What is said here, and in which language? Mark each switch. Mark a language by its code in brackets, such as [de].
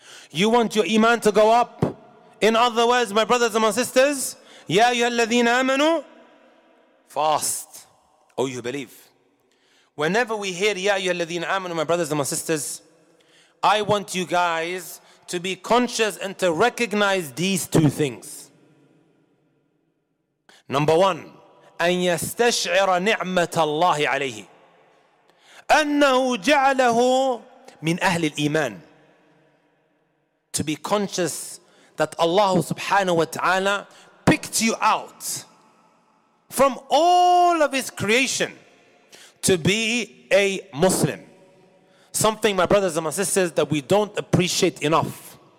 [en] You want your iman to go up? In other words, my brothers and my sisters, Ya ayyuhal ladhina amanu, fast. Oh, you believe. Whenever we hear Ya ayyuhal ladhina amanu, my brothers and my sisters, I want you guys to be conscious and to recognize these two things. Number one, [ar] أن يستشعر نعمة الله عليه أنه جعله من أهل الإيمان. [en] To be conscious that Allah subhanahu wa ta'ala picked you out from all of his creation to be a Muslim. Something, my brothers and my sisters, that we don't appreciate enough.